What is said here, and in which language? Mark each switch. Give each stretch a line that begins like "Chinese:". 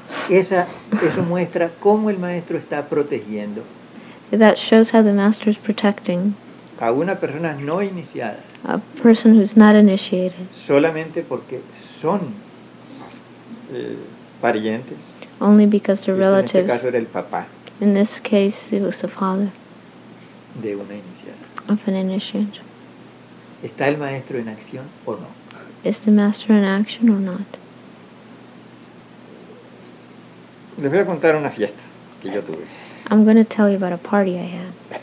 Spanish: eso muestra cómo el maestro está protegiendo.
English: That shows how the master is protecting.
Spanish: A una persona no iniciada.
English: A person who's not initiated.
Spanish: Solamente porque son parientes.
English: Only because they're relatives.
Spanish: En este caso era el papá.
English: In this case, it was the father.
Spanish: De una iniciada.
English: Of an initiate.
Spanish: ¿Está el maestro en acción o no?
English: Is the master in action or not?
Spanish: Les voy a contar una fiesta que yo tuve.
English: I'm going to tell you about a party I had.